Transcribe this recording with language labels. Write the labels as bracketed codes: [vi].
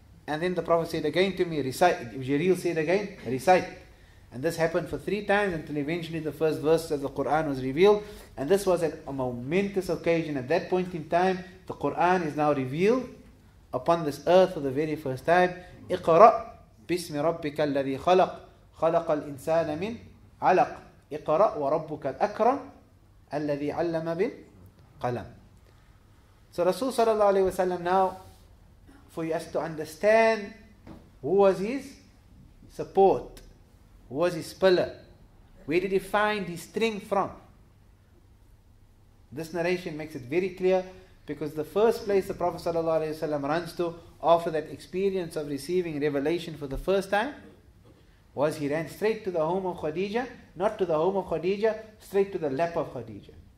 [en] And then the Prophet said again to me, recite. Jibreel said again, recite. And this happened for 3 times until eventually the first verse of the Quran was revealed. And this was a momentous occasion. At that point in time, the Quran is now revealed upon this earth for the very first time. [ar] Iqra bismi rabbika alladhi khalaq. خلق الإنسان من علق اقرأ وربك الأكرم الذي علم بالقلم. [en] So Rasul sallallahu alayhi wa sallam, now for you to understand who was his support, who was his pillar, where did he find his strength from? This narration makes it very clear, because the first place the Prophet sallallahu alayhi wa sallam runs to after that experience of receiving revelation for the first time was he ran straight to the home of Khadija, not to the home of Khadija, straight to the lap of Khadija.